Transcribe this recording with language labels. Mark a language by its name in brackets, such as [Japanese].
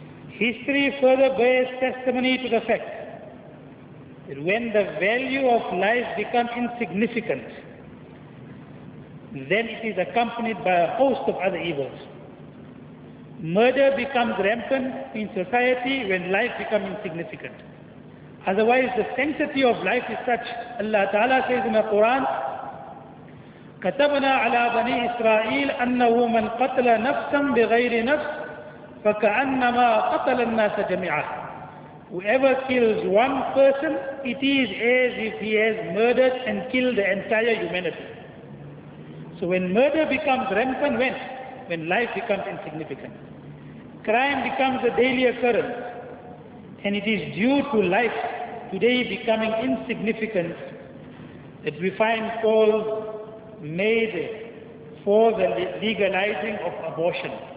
[English] History further bears testimony to the fact that when the value of life becomes insignificant, then it is accompanied by a host of other evils. Murder becomes rampant in society when life becomes insignificant. Otherwise, the sanctity of life is such, Allah Ta'ala says in the Quran, [Arabic] كَتَبْنَا عَلَىٰ بَنِي إِسْرَائِيلَ أَنَّهُ مَنْ قَتْلَ نَفْسًا بِغَيْرِ نَفْسٍ فَكَأَنَّمَا قَتَلَ النَّاسَ جَمِعًا. [English] Whoever kills one person, it is as if he has murdered and killed the entire humanity. So when murder becomes rampant, when life becomes insignificant, crime becomes a daily occurrence, and it is due to life today becoming insignificant that we find calls made for the legalizing of abortion.